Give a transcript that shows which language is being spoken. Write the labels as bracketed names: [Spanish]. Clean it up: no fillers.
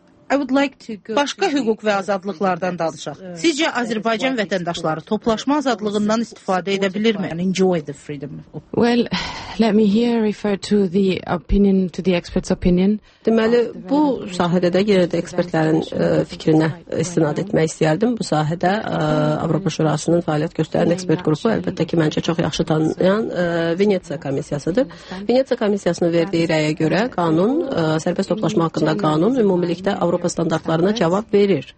[English] I would like to go [Azerbaijani] Başqa hüquq və azadlıqlardan danışaq. Sizcə Azərbaycan vətəndaşları toplaşma azadlığından istifadə edə bilərmi? Enjoy the freedom. [English] Well, let me here refer to the opinion to the expert's opinion. [Azerbaijani] Deməli, bu sahədə də yenə də ekspertlərin fikrinə istinad etmək istərdim. Bu sahədə Avropa Şurasının fəaliyyət göstərən ekspert qrupu, əlbəttə ki, məncə çox yaxşı tanıyan Venetsiya komissiyasıdır. Venetsiya komissiyasının verdiyi rəyə görə qanun sərbəst toplaşma haqqında qanun ümumilikdə Avropa standartlarına cavab verir.